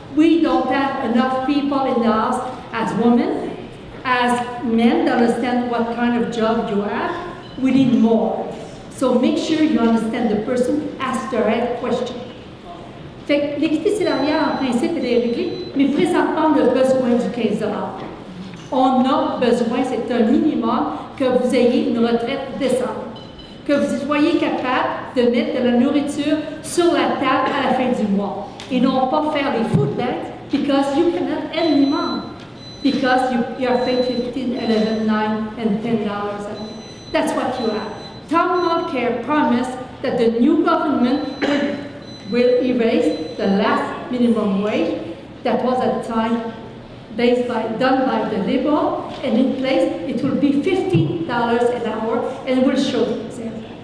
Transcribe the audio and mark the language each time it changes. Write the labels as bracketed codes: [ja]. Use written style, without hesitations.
[en] We don't have enough people in the house as women, as men, to understand what kind of job you have. We need more. So make sure you understand the person, ask the right question. [fr] Fait que l'équité salariale, en principe, elle est réglée, mais présentement, on a besoin du 15 $. On a besoin, c'est un minimum, que vous ayez une retraite décente. Que vous soyez capable de mettre de la nourriture sur la table à la fin du mois. Et non pas faire les food banks, [en] because you cannot end the month. Because you are paid $15, $11, $9, and $10. That's what you have. Tom Mulcair promised that the new government will erase the last minimum wage that was at the time based by, done by the Liberal, and in place it will be $15 an hour and will show example.